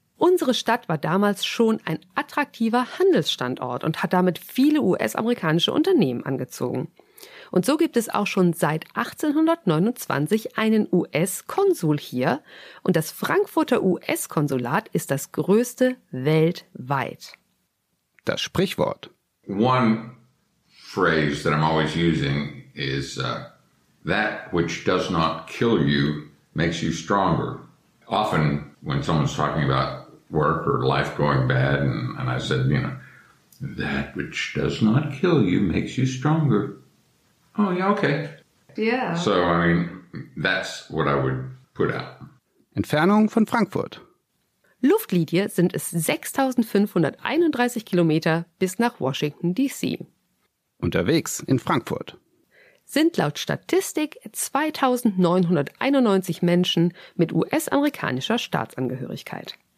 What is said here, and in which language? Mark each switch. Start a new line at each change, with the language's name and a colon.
German: Unsere Stadt war damals schon ein attraktiver Handelsstandort und hat damit viele US-amerikanische Unternehmen angezogen. Und so gibt es auch schon seit 1829 einen US-Konsul hier und das Frankfurter US-Konsulat ist das größte weltweit. Das Sprichwort.
English: One phrase that I'm always using is that which does not kill you makes you stronger. Often when someone's talking about work or life going bad and I said, you know, that which does not kill you makes you stronger. Oh yeah, okay. Yeah. So I mean, that's what I would put out.
German: Entfernung von Frankfurt. Luftlinie sind es 6531 Kilometer bis nach Washington D.C. Unterwegs in Frankfurt sind laut Statistik 2991 Menschen mit US-amerikanischer Staatsangehörigkeit.